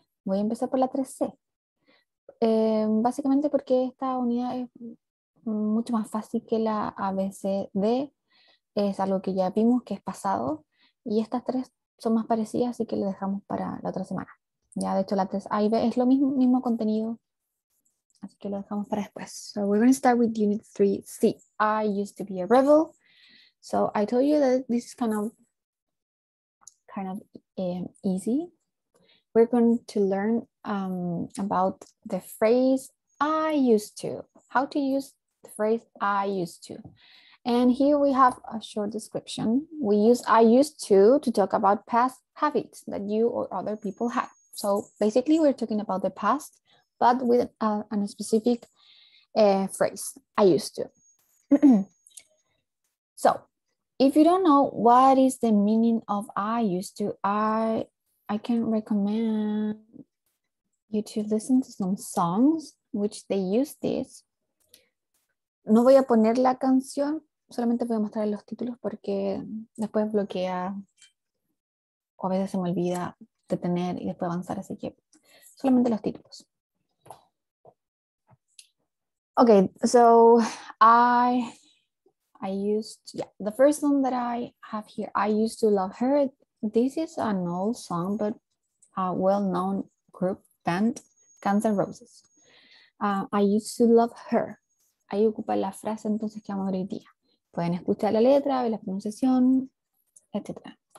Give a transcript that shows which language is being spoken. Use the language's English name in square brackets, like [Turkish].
[Spanish] Voy a empezar por la 3C. Básicamente porque esta unidad es mucho más fácil que la ABCD. Es algo que ya vimos que es pasado. Y estas tres son más parecidas, así que las dejamos para la otra semana. Ya, de hecho, la 3A y B es lo mismo contenido. Así que lo dejamos para después. [English] So, we're going to start with Unit 3C. I used to be a rebel. So, I told you that this is kind of easy. We're going to learn about the phrase I used to. How to use the phrase I used to. And here we have a short description. We use I used to talk about past habits that you or other people had. So basically we're talking about the past, but with a specific phrase, I used to. So if you don't know what is the meaning of I used to, I can recommend you to listen to some songs which they use this. [Spanish] No voy a poner la canción. Solamente voy a mostrar los títulos porque después bloquea o a veces se me olvida detener y después avanzar, así que solamente los títulos. [English] Okay, so I used to, yeah, the first one that I have here, I used to love her. This is an old song, but a well-known group band, Guns N' Roses. I used to love her. [Spanish] Ahí ocupa la frase entonces que vamos a ver hoy día. Pueden escuchar la letra, ver la pronunciación, etc.